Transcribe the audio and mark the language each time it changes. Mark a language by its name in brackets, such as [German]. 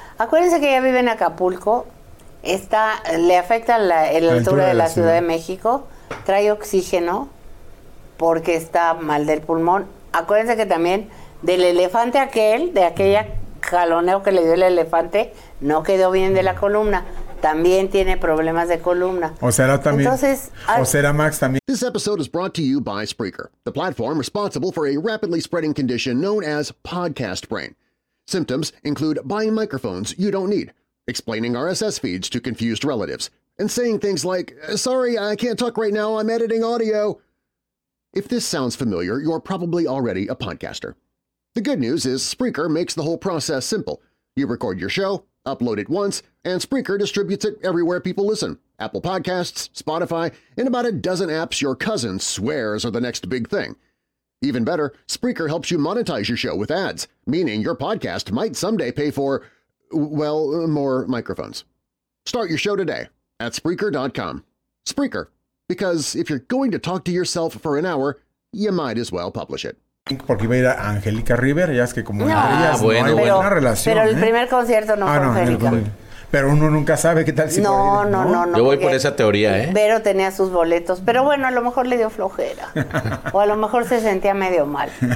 [Spanish] Acuérdense que ella vive en Acapulco, le afecta la altura de la Ciudad de México, trae oxígeno porque está mal del pulmón. Acuérdense que también del elefante aquel, de aquella jaloneo que le dio el elefante, no quedó bien de la columna. También tiene problemas de columna. O será también. Entonces, o será Max también. [English] This episode is brought to you by Spreaker, the platform responsible for a rapidly spreading condition known as podcast brain. Symptoms include buying microphones you don't need, explaining RSS feeds to confused relatives, and saying things like, sorry, I can't talk right now, I'm editing audio. If this sounds familiar, you're probably already a podcaster. The good news is Spreaker makes the whole process simple. You record your show, upload it once, and Spreaker distributes it everywhere people listen. Apple Podcasts, Spotify, and about a dozen apps your cousin swears are the next big thing. Even better, Spreaker helps you monetize your show with ads, meaning your podcast might someday pay for, well, more microphones. Start your show today at Spreaker.com. Spreaker, because if you're going to talk to yourself for an hour, you might as well publish it. [Spanish] Porque iba a ir a Angélica Rivera, ya es que como entre ellas no hay buena relación. Pero el primer concierto no fue Angélica. Pero uno nunca sabe qué tal si no, puede ir, ¿no? No, no, no. Yo voy por esa teoría, ¿eh? Vero tenía sus boletos. Pero bueno, a lo mejor le dio flojera. O a lo mejor se sentía medio mal.